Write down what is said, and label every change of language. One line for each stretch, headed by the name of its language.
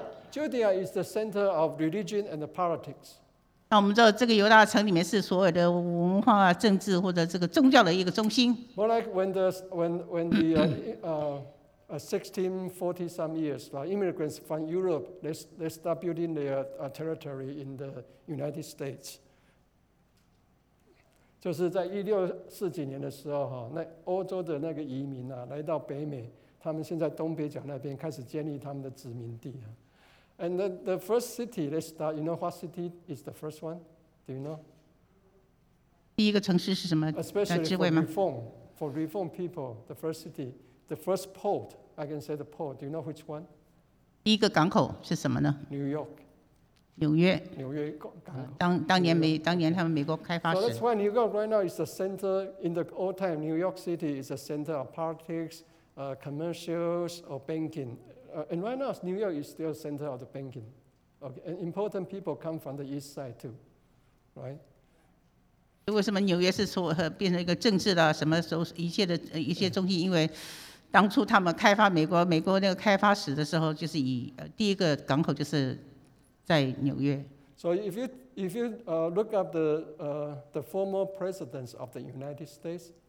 English: Judea is the center of religion and politics.
Chinese: 那我们知道这个犹大城里面是所有的文化、政治或者这个宗教的一个中心。
English: More like when the 1640 some years, immigrants from Europe, they start building their territory in the United States.
Chinese: 就是在1640年的时候，那欧洲的那个移民啊，来到北美，他们现在东北角那边开始建立他们的殖民地啊。
English: And the first city they start, you know what city is the first one? Do you know?
Chinese: 第一个城市是什么？
English: Especially for reform people, the first city, the first port, I can say the port. Do you know which one?
Chinese: 第一个港口是什么呢？
English: New York.
Chinese: 纽约港口。当年他们美国开发时。
English: So that's why New York right now is the center in the old time. New York City is the center of politics, commercials, or banking. And right now, New York is still center of the banking. Okay, and important people come from the east side too, right?
Chinese: 为什么纽约是说变成一个政治的什么时候一切中心？因为当初他们开发美国那个开发史的时候，就是以第一个港口就是。在纽约。
English: So if you look up the former presidents of the United States,